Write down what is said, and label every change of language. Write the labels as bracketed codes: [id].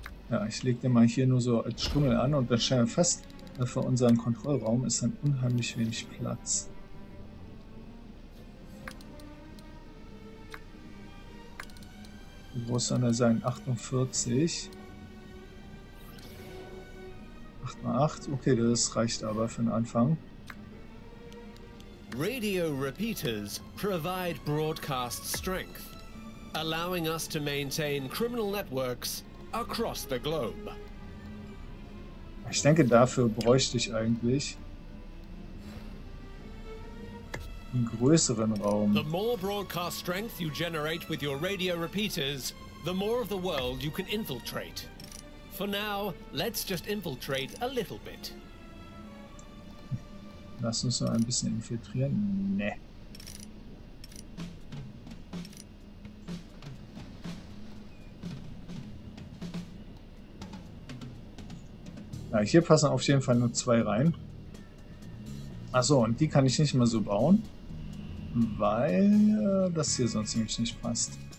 [de] Ja, ich lege den mal hier nur so als Stummel an und dann stellen wir fest, für unseren Kontrollraum ist dann unheimlich wenig Platz. Wie groß soll er sein? 48. 8x8. Okay, das reicht aber für den Anfang. [en] Radio repeaters provide broadcast strength, allowing us to maintain criminal networks across the globe. [de] Ich denke, dafür bräuchte ich eigentlich einen größeren Raum. [en] The more broadcast strength you generate with your radio repeaters, the more of the world you can infiltrate. For now, let's just infiltrate a little bit. [de] Lass uns noch ein bisschen infiltrieren. Ne. Ja, hier passen auf jeden Fall nur zwei rein. Achso, und die kann ich nicht mehr so bauen, weil das hier sonst nämlich nicht passt.